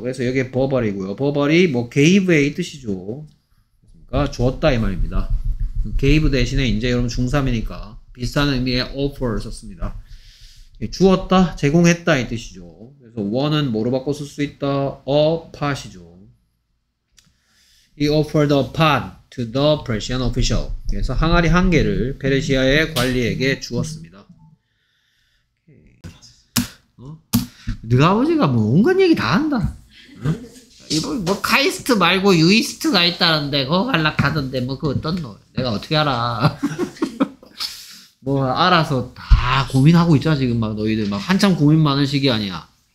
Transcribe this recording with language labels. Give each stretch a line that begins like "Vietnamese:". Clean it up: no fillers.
Korean: 그래서 여기 버벌이고요. 버벌이 뭐 gave의 뜻이죠. 그러니까 주었다 이 말입니다. gave 대신에 이제 여러분 중3이니까 비슷한 의미의 offer 썼습니다. 주었다, 제공했다 이 뜻이죠. 그래서 one은 뭐로 바꿔 쓸 수 있다? a pot이죠.
English: He offered a pot to the Persian official.
Korean: 그래서 항아리 한 개를 페르시아의 관리에게 주었습니다. 어? 네가 아버지가 뭐 온갖 얘기 다 한다. 어? 뭐 카이스트 말고 유이스트가 있다는데 그거 갈락 하던데 뭐 그거 어떤 놈? 내가 어떻게 알아? 뭐 알아서 다 고민하고 있잖아 지금 막 너희들 막 한참 고민 많은 시기 아니야.